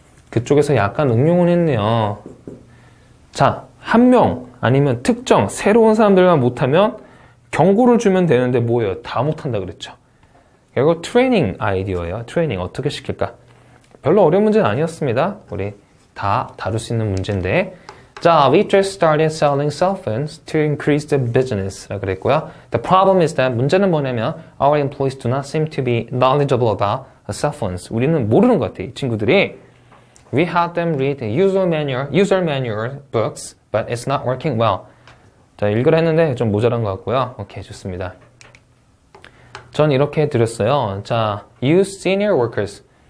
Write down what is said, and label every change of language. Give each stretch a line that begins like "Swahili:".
Korean: 그쪽에서 약간 응용을 했네요. 자, 한 명 아니면 특정 새로운 사람들만 못하면 경고를 주면 되는데 뭐예요? 다 못한다 그랬죠. 이거 트레이닝 아이디어예요. 트레이닝 어떻게 시킬까? 별로 어려운 문제는 아니었습니다. 우리 다 다룰 수 있는 문제인데.
English: 자, we just started selling cell phones to increase the business
Korean: 라고 그랬고요.
English: The problem is that
Korean: 문제는 뭐냐면
English: our employees do not seem to be knowledgeable about cell phones.
Korean: 우리는 모르는 것 같아요, 이 친구들이.
English: We had them read user manual books, but it's not working well.
Korean: 자, 읽으라 했는데 좀 모자란 것 같고요. 오케이, 좋습니다. 전 이렇게 드렸어요. 자,
English: you senior workers.